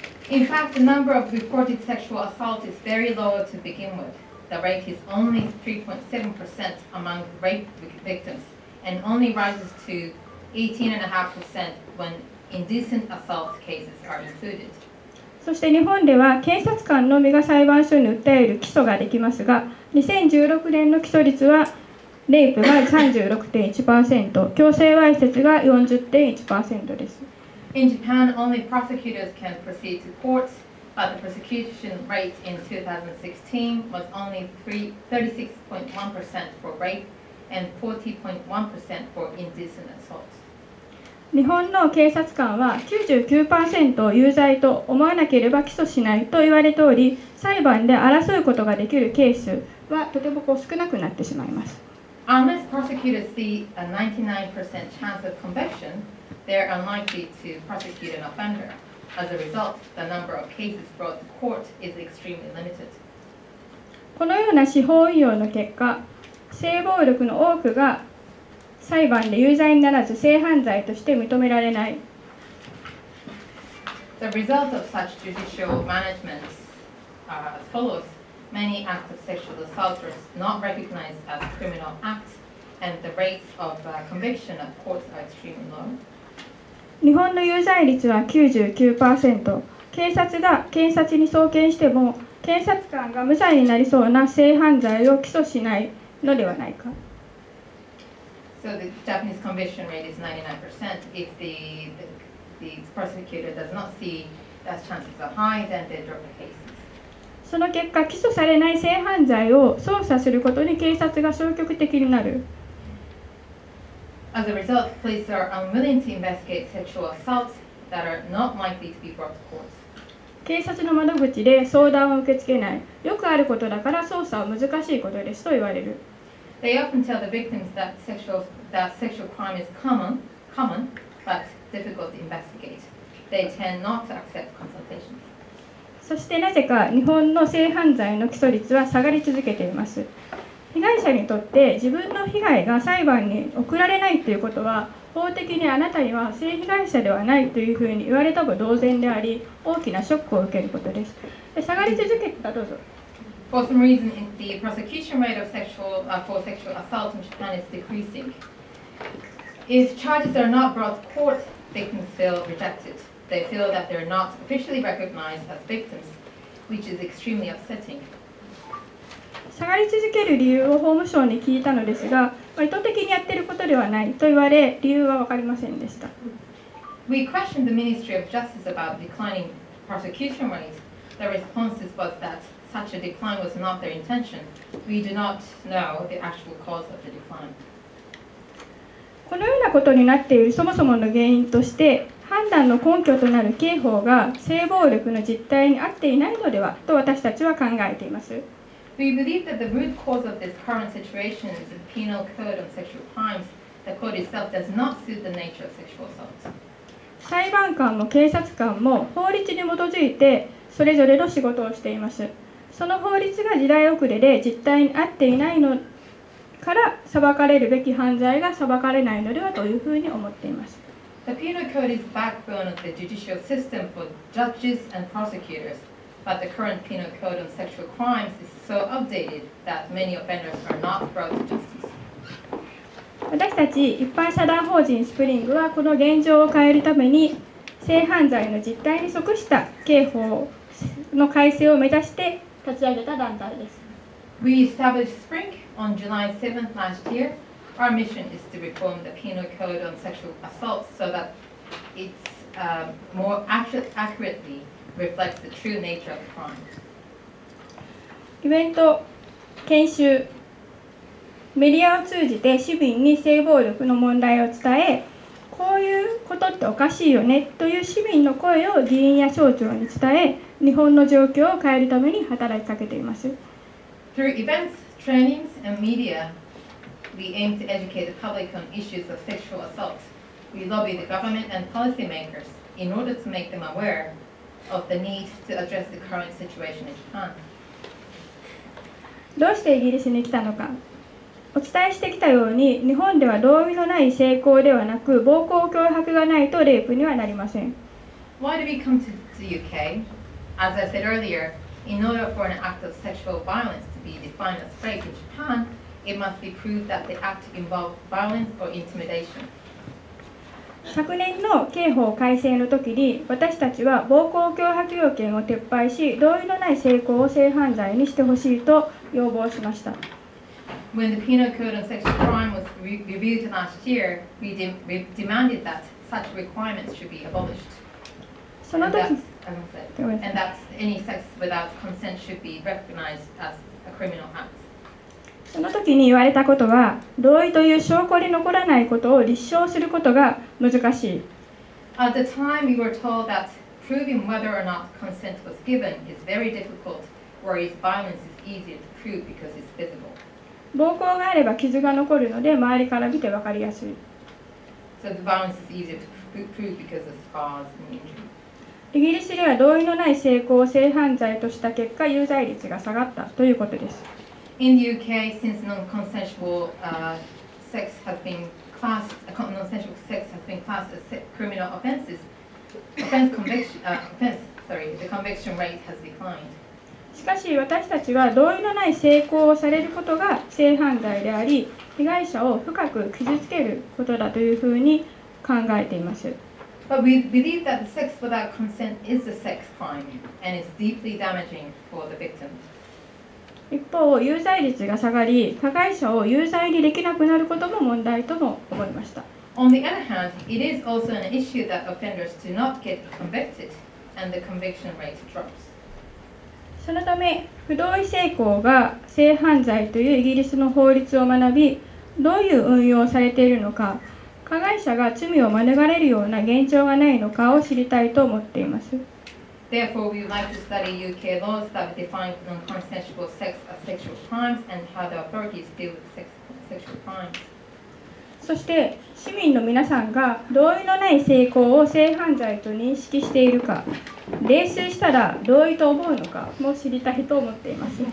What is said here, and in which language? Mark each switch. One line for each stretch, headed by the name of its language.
English: In fact, the number of reported sexual assault is very low to begin with. The rate is only 3.7% among rape victims and only rises to 18.5% when indecent assault cases are included.
Japanese: そして日本では警察官のみが裁判所に訴える起訴ができますが、 2016年の起訴率はレイプが 36.1%、 強制わいせつが 40.1% です。
English: In Japan, only prosecutors can proceed to court, but the prosecution rate in 2016 was only 36.1% for rape and 40.1% for indecent assault.
Japanese: 日本の警察官は 99% を有罪と思わなければ起訴しないと言われており、裁判で争うことができるケースはとてもこう少なくなってしまいます。
English: Unless prosecutors see a 99% chance of conviction, they're unlikely to prosecute an offender. As a result, the number of cases brought to court is extremely limited.
Japanese: このような司法運用の結果、性暴力の多くが裁判で有罪にならず性犯罪として認められない。
English: The result of such judicial management as follows. Many acts of sexual assault are not recognized as criminal acts, and the rates of conviction at courts are extremely low.
Japanese: 日本の有罪率は 99%。警察に送検しても検察官が無罪になりそうな性犯罪を起訴しないのではないか。
English: So the Japanese conviction rate is 99%. If the prosecutor does not see that chances are high, then they drop the case.
Japanese: その結果、起訴されない性犯罪を捜査することに警察が消極的になる。
English: As a result, police are unwilling to investigate sexual assaults that are not likely to be brought to court.
Japanese: 警察の窓口で相談を受け付けない。よくあることだから捜査は難しいことですと言われる。
English: They often tell the victims that sexual crime is common, but difficult to investigate. They tend not to accept consultation.
Japanese: そしてなぜか日本の性犯罪の起訴率は下がり続けています。被害者にとって自分の被害が裁判に送られないということは、法的にあなたには性被害者ではないというふうに言われたも同然であり、大きなショックを受けることです。で、下がり続けた、どうぞ。
English: For some reason, the prosecution rate of sexual assault in Japan is decreasing. If charges are not brought to court, they can still reject itThey feel that they're not officially recognized as victims, which is extremely upsetting.
Japanese: 下がり続ける理由を法務省に聞いたのですが、意図的にやっていることではないと言われ、理由は分かりませんでした。
English: We questioned the Ministry of Justice about declining prosecution rates. The response was that such a decline was not their intention. We do not know the actual cause of the decline.
Japanese: このようなことになっているそもそもの原因として、判断の根拠となる刑法が性暴力の実態に合っていないのではと私たちは考えています。
English: We believe that the root cause of this current situation is the penal code on sexual crimes. The code itself does not suit the nature of sexual assault.
Japanese: 裁判官も警察官も法律に基づいてそれぞれの仕事をしています。その法律が時代遅れで実態に合っていないのから裁かれるべき犯罪が裁かれないのではというふうに思っています。
English: The penal code is the backbone of the judicial system for judges and prosecutors, but the current penal code on sexual crimes is so outdated that many offenders are not brought to justice.
Japanese: 私たち一般社団法人スプリングはこの現状を変えるために性犯罪の実態に即した刑法の改正を目指して立ち上げた団体です。
English: We established Spring on July 7th last year. Our mission is to reform the penal code on sexual assault so that it more accurately reflects the true nature of the crime.
Japanese: イベント、研修、メディアを通じて市民に性暴力の問題を伝え、こういうことっておかしいよねという市民の声を議員や省庁に伝え、日本の状況を変えるために働きかけています。
English: Through events, trainings, and media,We aim to educate the public on issues of sexual assault. We lobby the government and policymakers in order to make them aware of the need to address the current situation in Japan.
Japanese: どうしてイギリスに来たのか。お伝えしてきたように、日本では同意のない性交ではなく、暴行脅迫がないとレイプにはなりません。
English: Why did we come to the UK? As I said earlier, in order for an act of sexual violence to be defined as rape in Japan,It must be proved that the act involved violence or intimidation.
Japanese: 昨年の刑法改正の時に、私たちは暴行脅迫要件を撤廃し、同意のない性交を性犯罪にしてほしいと要望しました。
English: When the Penal Code on Sexual Crime was reviewed last year, we demanded that such requirements should be abolished.
Japanese: その時、
English: And that any sex without consent should be recognized as a criminal act.
Japanese: その時に言われたことは、同意という証拠に残らないことを立証することが難しい。
English: At the time, we were told that proving whether or not consent was given is very difficult, whereas violence is easier to prove because it's visible.
Japanese: 暴行があれば傷が残るので周りから見て分かりやすい。
English: So the violence is easier to prove because of scars and injury.
Japanese: イギリスでは同意のない性交を性犯罪とした結果、有罪率が下がったということです。
English: In the UK, since non-consensual sex has been classed, non-consensual sex has been classed as criminal offences, the conviction rate has declined.
Japanese: しかし私たちは同意のない性交をされることが性犯罪であり、被害者を深く傷つけることだというふうに考えています。
English: But we believe that the sex without consent is a sex crime and is deeply damaging for the victim.
Japanese: 一方、有罪率が下がり、加害者を有罪にできなくなることも問題とも思いました。
English: On the other hand, it is also an issue that offenders do not get convicted and the conviction rate drops.
Japanese: そのため、不同意性交が性犯罪というイギリスの法律を学び、どういう運用されているのか、加害者が罪を免れるような現状がないのかを知りたいと思っています。
English: Therefore, we would like to study UK laws that define non-consensual sex as sexual crimes and how the authorities deal with sexual crimes.
Japanese: そして市民の皆さんが同意のない性交を性犯罪と認識しているか、例数したら同意と思うのかも知りたいと思っています。